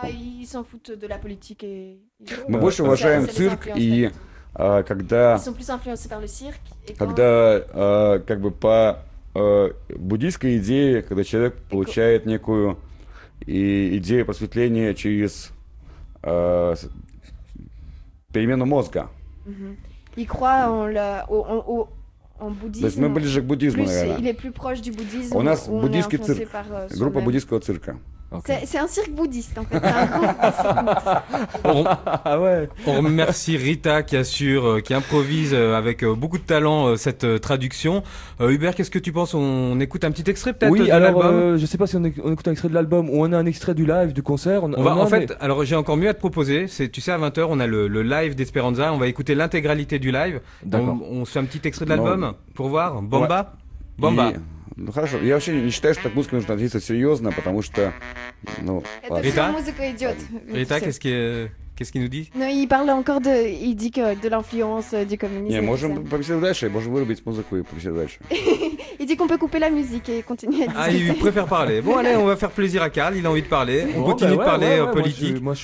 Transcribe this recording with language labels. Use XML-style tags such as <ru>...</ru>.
<ru>Мы больше уважаем цирк, и когда как бы по буддийской идее, когда человек получает некую идею просветления через перемену мозга. То есть мы ближе к буддизму, наверное. У нас буддийский цирк, группа буддийского цирка.</ru> <fr>C'est un cirque bouddhiste, en fait. cirque. On remercie Rita qui improvise avec beaucoup de talent cette traduction. Hubert, qu'est-ce que tu penses? On écoute un petit extrait peut-être de l'album? Oui, alors je ne sais pas si on écoute un extrait de l'album ou on a un extrait du live, du concert. Alors j'ai encore mieux à te proposer. Tu sais, à 20h, on a le live d'Esperanza. On va écouter l'intégralité du live. D'accord. On se fait un petit extrait de l'album pour voir. Bomba. Ouais. Bomba. Yeah.</fr> <ru>Ну хорошо, я вообще не считаю, что так музыка нужно относиться серьезно, потому что, ну, это все музыка идет.</ru> <fr>Рита, qu'est-ce qu'il nous dit? Non, il parle encore de, il dit que de l'influence du communisme.</fr> <ru>Не, можем побеседовать дальше, можем вырубить музыку и побеседовать дальше.</ru> <fr>Il dit qu'on peut couper la musique et continuer à discuter. Ah, il préfère parler. Bon, allez, on va faire plaisir à Karl, il a envie de parler. On continue de parler politique.</fr>